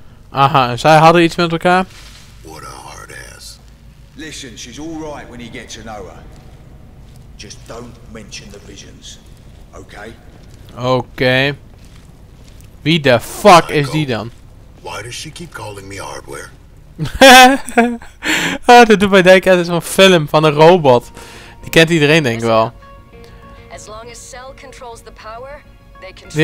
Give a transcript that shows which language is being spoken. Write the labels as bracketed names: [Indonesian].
[Dutch] Aha, en zij hadden iets met elkaar? [English] What a hard ass. Listen, she's all right when you get to know her. Just don't mention the visions. Okay? Okay. [Dutch] Wie de fuck Michael, is die dan? [English] Why does she keep calling me hardware? [Dutch] Ah, dat doet mij denken aan zo'n film van een robot. Die kent iedereen denk ik wel. [English] As long as cell controls the power, they control.